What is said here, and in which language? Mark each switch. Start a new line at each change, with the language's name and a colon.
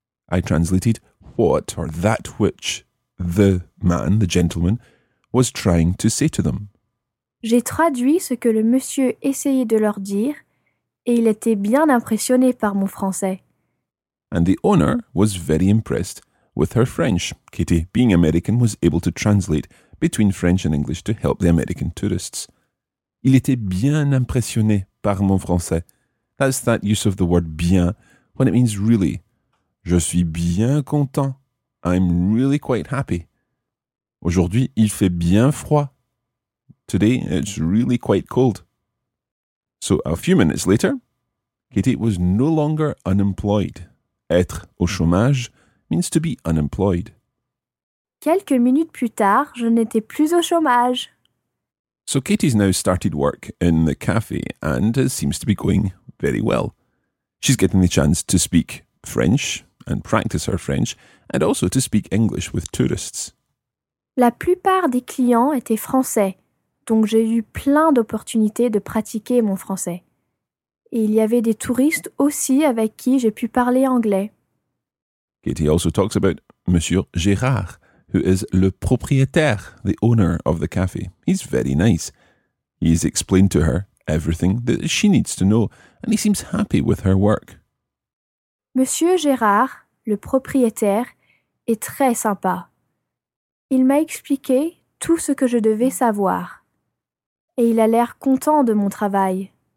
English: I translated what or that which the man, the gentleman, was trying to say to them.
French: J'ai traduit ce que le monsieur essayait de leur dire. Et il était bien impressionné par mon français.
English: And the owner was very impressed with her French. Katie, being American, was able to translate between French and English to help the American tourists.
French: Il était bien impressionné par mon français.
English: That's that use of the word bien when it means really.
French: Je suis bien content.
English: I'm really quite happy.
French: Aujourd'hui, il fait bien froid.
English: Today, it's really quite cold. So, a few minutes later, Katie was no longer unemployed.
French: Être au chômage
English: means to be unemployed.
French: Quelques minutes plus tard, je n'étais plus au chômage.
English: So, Katie's now started work in the cafe and it seems to be going very well. She's getting the chance to speak French and practice her French and also to speak English with tourists.
French: La plupart des clients étaient français. Donc j'ai eu plein d'opportunités de pratiquer mon français. Et il y avait des touristes aussi avec qui j'ai pu parler anglais.
English: Katie also talks about Monsieur Gérard, who is
French: le propriétaire,
English: the owner of the café. He's very nice. He's explained to her everything that she needs to know, and he seems happy with her work.
French: Monsieur Gérard, le propriétaire, est très sympa. Il m'a expliqué tout ce que je devais savoir. Et il a l'air content de mon travail.